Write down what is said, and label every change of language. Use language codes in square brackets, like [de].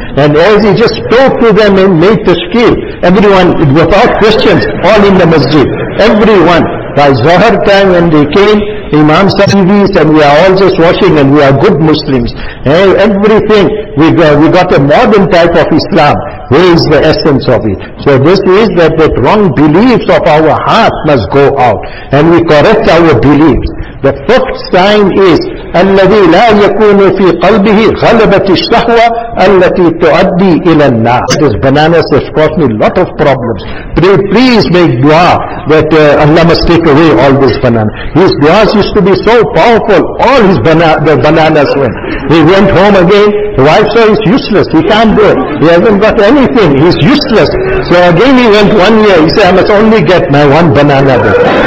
[en] And as he just spoke to them and made the skill, everyone, without questions, all in the masjid, everyone, by Zohar time when they came, Imam Sahib is, and we are all just watching, and we are good Muslims. Everything, we got a modern type of Islam. Where is the essence of it? So this is that wrong beliefs of our heart must go out, and we correct our beliefs. The fifth sign is [ar] الذي لا يكون في قلبه غلبة الشهوة التي تؤدي إلى النار. [en] This banana has caused me a lot of problems. Please make dua that Allah must take away all these bananas. His duas used to be so powerful, all his bananas went. He went home again, the wife saw he's useless, he can't do it. He hasn't got anything, he's useless. So again he went 1 year, he said, I must only get my one banana there.